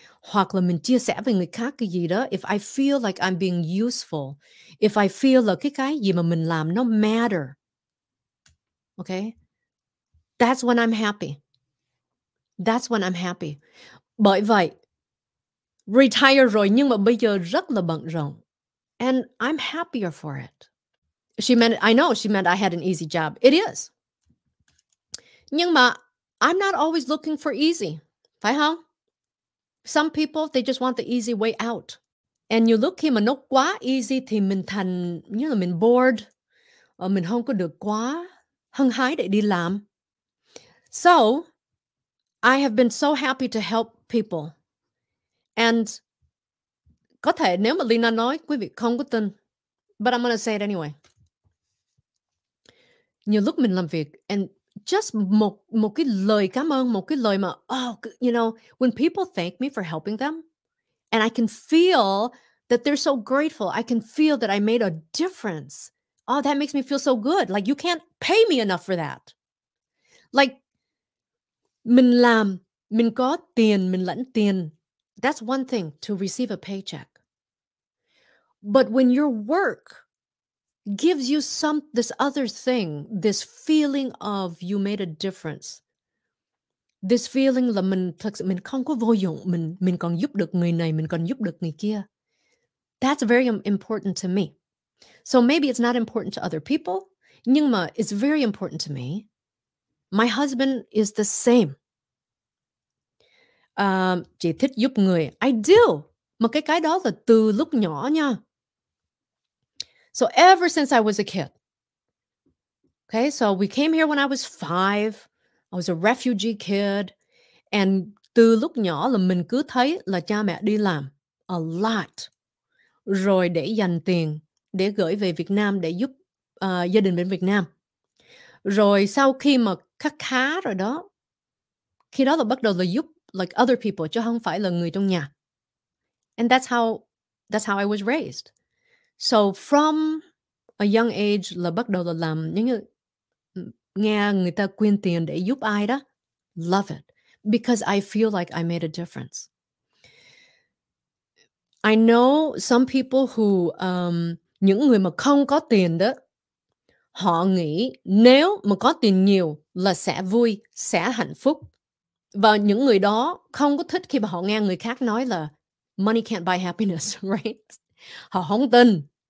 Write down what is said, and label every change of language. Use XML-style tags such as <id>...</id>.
<vi>Hoặc là mình chia sẻ với người khác cái gì đó,</vi> <en>if I feel like I'm being useful, if I feel</en> <vi>là cái gì mà mình làm nó</vi> <en>matter, okay? That's when I'm happy. That's when I'm happy.</en> <vi>Bởi vậy, retire rồi nhưng mà bây giờ rất là bận rộn.</vi> <en>And I'm happier for it. I know she meant I had an easy job. It is.</en> <vi>Nhưng mà</vi> <en>I'm not always looking for easy.</en> <vi>Phải không?</vi> <en>Some people, they just want the easy way out. And you look</en> <vi>khi mà nó quá easy thì mình thành, như là mình bored. Mình không có được quá hăng hái để đi làm.</vi> <en>So, I have been so happy to help people.</en> <vi>And có thể nếu mà Lina nói, quý vị không có tin.</vi> <en>But I'm going to say it anyway.</en> <vi>Nhiều lúc mình làm việc</vi> <en>and just</en> <vi>một cái lời cảm ơn, một cái lời mà,</vi> <en>oh, you know, when people thank me for helping them and I can feel that they're so grateful, I can feel that I made a difference. Oh, that makes me feel so good. Like, you can't pay me enough for that.</en> <vi>Like, mình làm, mình có tiền, mình lãnh tiền.</vi> <en>That's one thing, to receive a paycheck. But when your work gives you some this other thing, this feeling of you made a difference. This feeling</en> <vi>là mình thực sự mình không có vô dụng, mình còn giúp được người này, mình còn giúp được người kia.</vi> <en>That's very important to me. So maybe it's not important to other people,</en> <vi>nhưng mà</vi> <en>it's very important to me. My husband is the same.</en> <vi>Chị thích giúp người.</vi> <en>I do.</en> <vi>Mà cái đó là từ lúc nhỏ nha.</vi> <en>So ever since I was a kid, okay, so we came here when I was 5, I was a refugee kid, and</en> <vi>từ lúc nhỏ là mình cứ thấy là cha mẹ đi làm</vi> <en>a lot,</en> <vi>rồi để dành tiền, để gửi về Việt Nam, để giúp gia đình bên Việt Nam. Rồi sau khi mà khắc khá rồi đó, khi đó là bắt đầu là giúp</vi> <en>like other people,</en> <vi>chứ không phải là người trong nhà.</vi> <en>And that's how I was raised. So from a young age</en> <vi>là bắt đầu là làm những nghe người ta quyên tiền để giúp ai đó.</vi> <en>Love it. Because I feel like I made a difference. I know some people who,</en> <vi>những người mà không có tiền đó, họ nghĩ nếu mà có tiền nhiều là sẽ vui, sẽ hạnh phúc. Và những người đó không có thích khi mà họ nghe người khác nói là</vi> <en>money can't buy happiness, right?</en> <vi>Họ không tin.</vi>